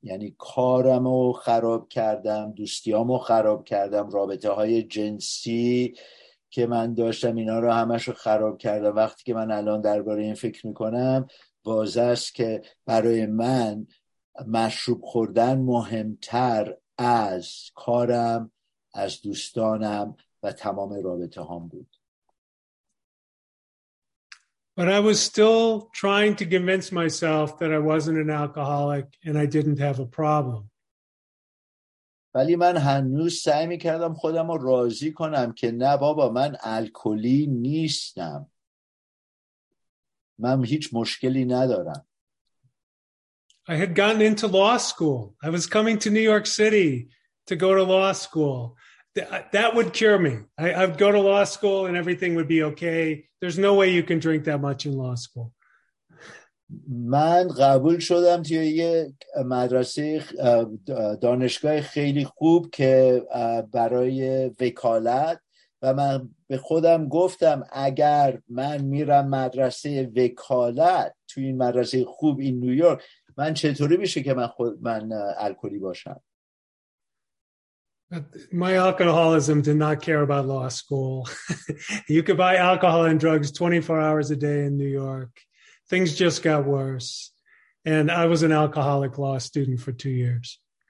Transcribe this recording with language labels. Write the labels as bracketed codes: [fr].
[fa] یعنی کارمو خراب کردم، دوستیامو خراب کردم، رابطه های جنسی که من داشتم اینا رو همشو خراب کردم. وقتی که من الان درباره این فکر میکنم واضح است که برای من مشروب خوردن مهمتر از کارم از دوستانم و تمام رابطه هام بود. [en] But I was still trying to convince myself that I wasn't an alcoholic and I didn't have a problem. [fa] ولی من هنوز سعی میکردم خودم رو راضی کنم که نه بابا من الکلی نیستم. من هیچ مشکلی ندارم. [en] I had gotten into law school. I was coming to New York City to go to law school. That would cure me. I'd go to law school and everything would be okay. There's no way you can drink that much in law school. [fa] من قبول شدم توی یه مدرسه دانشگاه خیلی خوب که برای وکالت و من به خودم گفتم اگر من میرم مدرسه وکالت توی این مدرسه خوب این نیویورک من چطوری میشه که من الکلی باشم. [en] But my alcoholism did not care about law school. You could buy alcohol and drugs 24 hours a day in New York. Things just got worse. And I was an alcoholic law student for 2 years.